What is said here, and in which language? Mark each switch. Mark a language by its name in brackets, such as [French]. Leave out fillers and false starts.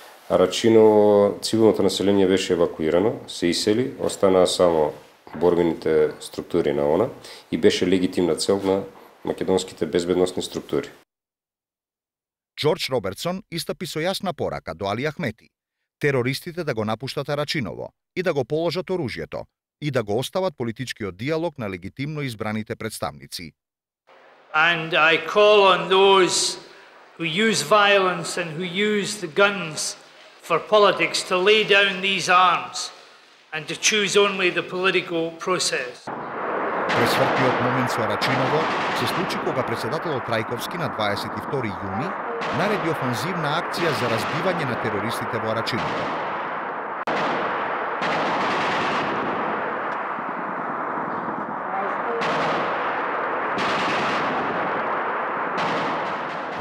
[Macedonian] А Рачиново, цивилното население беше евакуирано, се исели, останаа само борбените структури на ОНА и беше легитимна цел на македонските безбедностни структури. Джордж Робертсон истапи со јасна порака до Али Ахмети, терористите да го напуштат Рачиново и да го положат оружјето и да го остават политичкиот диалог на легитимно избраните представници. [English] And I call on those who use violence and who use the guns for politics to lay down these arms and to choose only the political process. [Macedonian] Пресвртиот момент со Рачиново се случи кога председателот Трајковски на 22 јуни нареди офанзивна акција за разбивање на терористите во Рачиново.